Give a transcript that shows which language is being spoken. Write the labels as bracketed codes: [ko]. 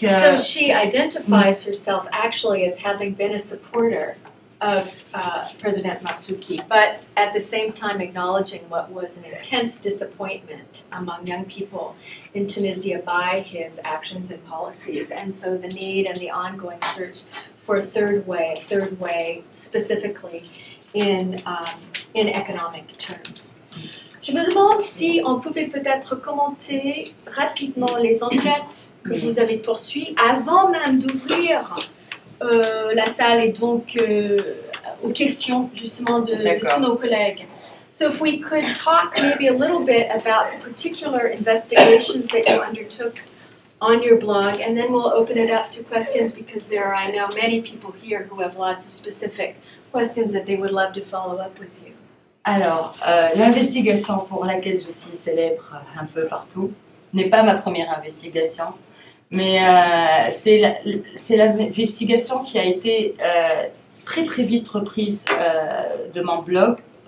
[en] so she identifies herself actually as having been a supporter of President Matsuki, but at the same time acknowledging what was an intense disappointment among young people in Tunisia by his actions and policies, and so the need and the ongoing search for a third way specifically in economic terms. [fr] Je me demande si on pouvait peut-être commenter rapidement les enquêtes que vous avez poursuivies avant même d'ouvrir la salle et donc aux questions justement de tous nos collègues. [en] So if we could talk maybe a little bit about the particular investigations that you undertook on your blog, and then we'll open it up to questions because there are, I know, many people here who have lots of specific questions that they would love to follow up with you. [fr] Alors, l'investigation pour laquelle je suis célèbre un peu partout n'est pas ma première investigation, mais c'est l'investigation qui a été très très vite reprise de mon blog.